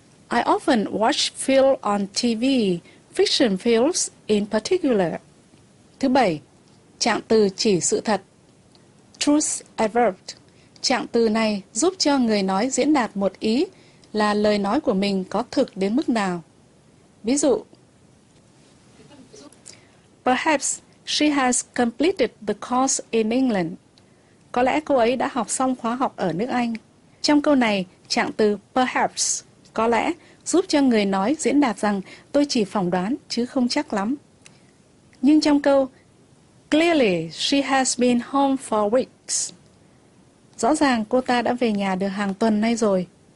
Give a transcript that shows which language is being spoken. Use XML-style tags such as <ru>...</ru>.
<en>I often watch films on TV, fiction films in particular.</en> <vi>Thứ bảy, trạng từ chỉ sự thật, truth adverb. Trạng từ này giúp cho người nói diễn đạt một ý là lời nói của mình có thực đến mức nào. Ví dụ,</vi> <en>perhaps she has completed the course in England.</en> <vi>Có lẽ cô ấy đã học xong khóa học ở nước Anh. Trong câu này, trạng từ perhaps, có lẽ, giúp cho người nói diễn đạt rằng tôi chỉ phỏng đoán chứ không chắc lắm. Nhưng trong câu</vi> <en>clearly she has been home for weeks,</en> <vi>rõ ràng cô ta đã về nhà được hàng tuần nay rồi.</vi>